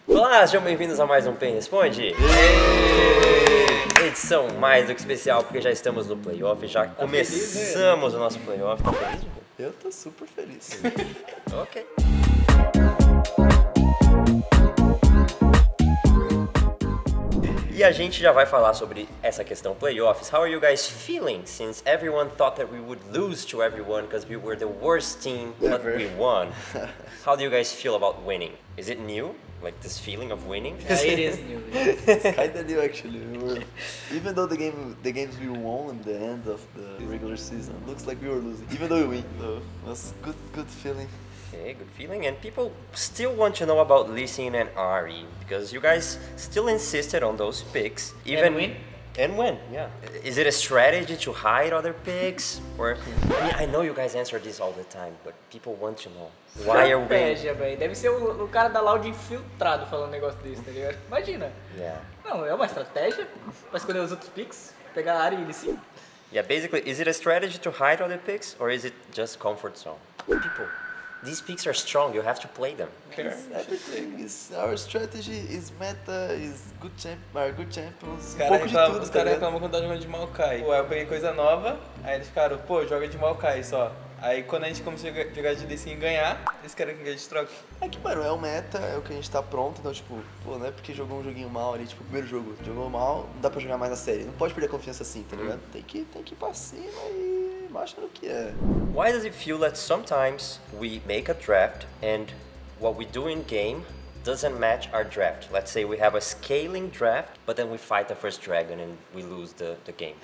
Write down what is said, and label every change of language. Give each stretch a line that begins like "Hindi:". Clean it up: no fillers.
Portuguese: Olá, sejam bem-vindos a mais um Pen Responde. Edição mais do que especial, porque já estamos no playoff, já tá começamos feliz, o nosso playoff. Tá feliz, cara? Eu tô super feliz. Ok. E a gente já vai falar sobre essa questão playoffs.
English: How are you guys feeling since everyone thought that we would lose to everyone because we were the worst team, but we won? How do you guys feel about winning? Is it new? Like this feeling of winning? Yeah, it is new. It's kind of new actually. Even though the games we won in the end of the regular season, looks like we were losing. Even though we win, though. That's good feeling. Okay, good feeling. And people still want to know about Lissine and Ari because you guys still insisted on those picks. Even and win? And win, yeah. Is it a strategy to hide other picks? Or, I mean, I know you guys answer this all the time, but people want to know. Why are we...
Portuguese: Estratégia, velho. Deve ser o cara da Loud infiltrado falando um negócio desse, tá ligado? Imagina.
English: Yeah.
Portuguese: Não, é uma estratégia pra escolher os outros picks, pegar Ari e Lissine.
English: Yeah, basically, is it a strategy to hide other picks? Or is it just comfort zone? People. These picks are strong, you have to play them. Okay. Everything is our strategy, is meta, is good champions.
Portuguese: Os caras reclamam quando tá jogando de Maokai. Ué, eu peguei coisa nova, aí eles ficaram, pô, joga de Maokai só. Aí quando a gente começou a jogar de DC e ganhar, eles querem que a gente troque. É que, mano, é o meta, é o que a gente tá pronto, então, tipo, pô, não é porque jogou um joguinho mal ali, tipo, primeiro jogo, jogou mal, não dá pra jogar mais na série. Não pode perder a confiança assim, tá ligado? Uhum. Tem que ir pra cima e mostra no que é.
English: Why does it feel that sometimes we make a draft and what we do in game doesn't match our draft? Let's say we have a scaling draft, but then we fight the first dragon and we lose the game.